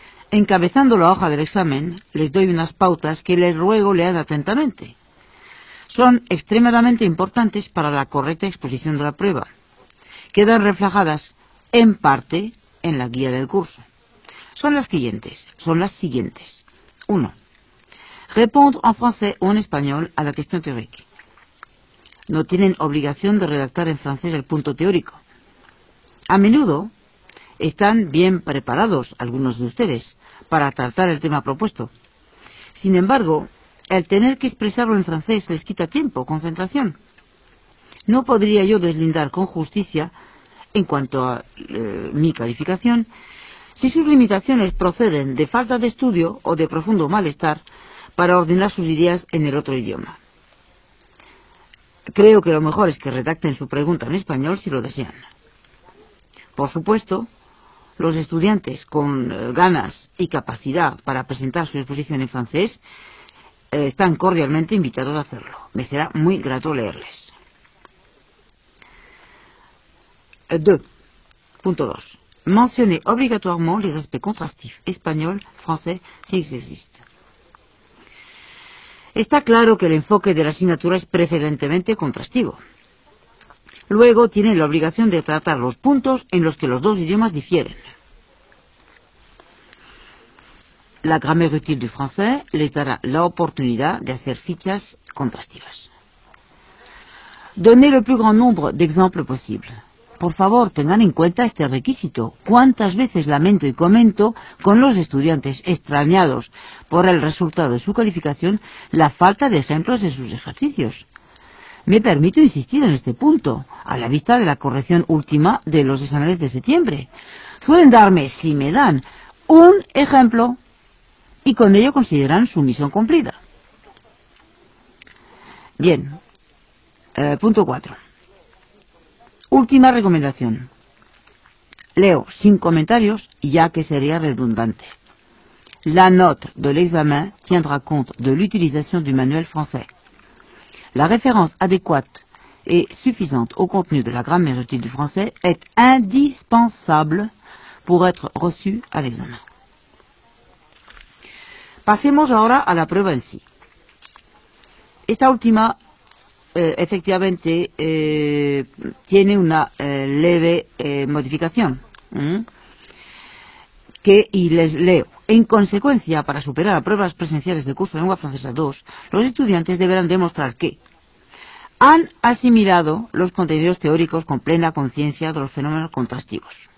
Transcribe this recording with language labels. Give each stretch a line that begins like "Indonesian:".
Spanish: Encabezando la hoja del examen, les doy unas pautas que les ruego lean atentamente. Son extremadamente importantes para la correcta exposición de la prueba. Quedan reflejadas en parte en la guía del curso. Son las siguientes. 1.
French: Répondre en français
Spanish: o en español
French: a la question théorique.
Spanish: No tienen obligación de redactar en francés el punto teórico. A menudo están bien preparados algunos de ustedes para tratar el tema propuesto. Sin embargo, el tener que expresarlo en francés les quita tiempo, concentración. No podría yo deslindar con justicia, en cuanto a mi calificación, si sus limitaciones proceden de falta de estudio o de profundo malestar para ordenar sus ideas en el otro idioma. Creo que lo mejor es que redacten su pregunta en español si lo desean. Por supuesto, los estudiantes con ganas y capacidad para presentar su exposición en francés están cordialmente invitados a hacerlo. Me será muy grato leerles. 2.2.
French: Mencionez obligatoirement les aspects contrastifs espagnol-français si ils existent.
Spanish: Está claro que el enfoque de la asignatura es preferentemente contrastivo. Luego tiene la obligación de tratar los puntos en los que los dos idiomas difieren. La grammaire utile du français les dará la oportunidad de hacer fichas contrastivas.
French: Donnez le plus grand nombre d'exemples possibles.
Spanish: Por favor, tengan en cuenta este requisito. ¿Cuántas veces lamento y comento con los estudiantes extrañados por el resultado de su calificación la falta de ejemplos de sus ejercicios? Me permito insistir en este punto, a la vista de la corrección última de los exámenes de septiembre. Suelen darme, si me dan, un ejemplo y con ello consideran su misión cumplida. Bien, punto 4. Última recomendación. Leo sin comentarios, ya que sería redundante.
French: La note de l'examen tiendra compte de l'utilisation du manuel français. La référence adéquate et suffisante au contenu de la grammaire utile du français est indispensable pour être reçue à l'examen.
Spanish: Pasemos ahora a la prueba en sí. Esta última, efectivamente, tiene una leve modificación. Y les leo. En consecuencia, para superar a pruebas presenciales de curso de lengua francesa 2, los estudiantes deberán demostrar que han asimilado los contenidos teóricos con plena conciencia de los fenómenos contrastivos.